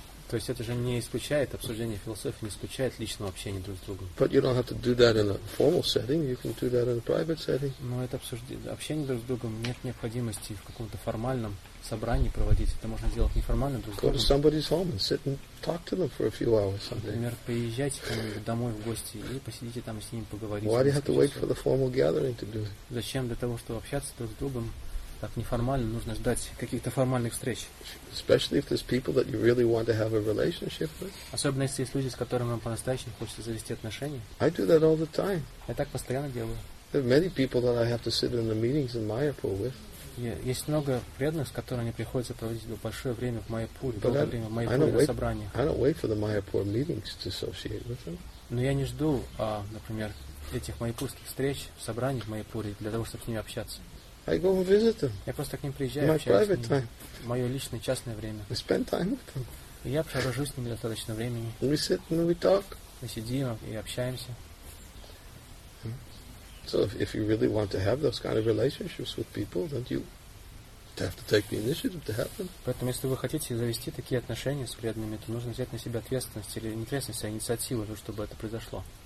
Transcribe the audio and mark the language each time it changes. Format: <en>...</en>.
<ru>То есть это же не исключает обсуждение философии, не исключает личного общения друг с другом.</ru> <en>But you don't have to do that in a formal setting. You can do that in a private setting.</en> <ru>Но это общение друг с другом нет необходимости в каком-то формальном собрании проводить. Это можно сделать неформально друг с другом.</ru> <en>Go to somebody's home and sit and talk to them for a few hours someday.</en> <ru>Например, поезжайте к кому-нибудь домой в гости и посидите там с ним поговорить.</ru> <en>Why do you have to wait for the formal gathering to do it?</en> <ru>Зачем для того, чтобы общаться друг с другом? Так неформально нужно ждать каких-то формальных встреч.</ru> <en>Especially if there's people that you really want to have a relationship with.</en> <ru>Особенно если есть люди, с которыми вам по-настоящему хочется завести отношения.</ru> <en>I do that all the time.</en> <ru>Я так постоянно делаю.</ru> <en>There are many people that I have to sit in the meetings in Mayapur with.</en> <ru>Есть много преданных, с которыми мне приходится проводить большое время в Майяпуре, долгое время в Майяпуре на собраниях.</ru> <en>I don't wait for the Mayapur meetings to associate with them.</en> <ru>Но я не жду, например, этих майяпурских встреч, собраний в Майяпуре для того, чтобы с ними общаться.</ru> <en>I go and visit them.</en> <ru>Я просто к ним приезжаю,</ru> <en>my private time.</en> <ru>Мое личное частное время.</ru> <en>I spend time with them.</en> <ru>И я провожу с ними достаточно времени.</ru> <en>And we sit and we talk.</en> <ru>Мы сидим и общаемся.</ru> <en>So if you really want to have those kind of relationships with people, then you have to take the initiative to have them.</en> <ru>Поэтому, если вы хотите завести такие отношения с преданными, то нужно взять на себя ответственность или не ответственность, а инициативу, чтобы это произошло.</ru>